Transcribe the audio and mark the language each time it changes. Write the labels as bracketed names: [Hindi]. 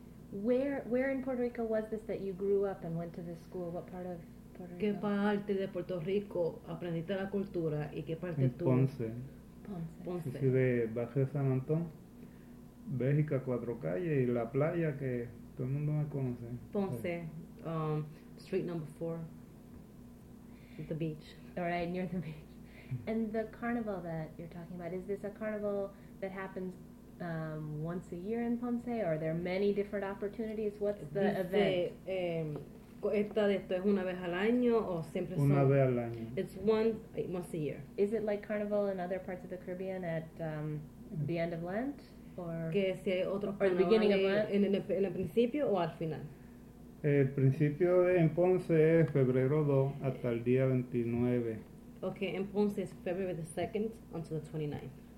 [English] Where in Puerto Rico was this that you grew up and went to this school? What part of Puerto Rico? [Spanish] ¿Qué parte de Puerto Rico aprendiste la cultura y qué parte en tú? Ponce. Sí, de Baja San Antón, Bélgica, Cuatro Calles y la playa que todo el mundo me conoce. [English] Ponce, street number 4, the beach. All right, near the beach. And the carnival that you're talking about, is this a carnival that happens once a year in Ponce, or are there many different opportunities? What's the event? [Spanish] Esta es una vez al año o siempre son? Una vez al año. [English] It's once a year. Is it like carnival in other parts of the Caribbean at the end of Lent? Or [Spanish] que si hay otro [English] or the beginning of Lent? [Spanish] En el principio o al final? El principio en Ponce es febrero 2 hasta el día 29. [English] Okay, [Spanish] en Ponce es [English] February the 2nd until the 29th.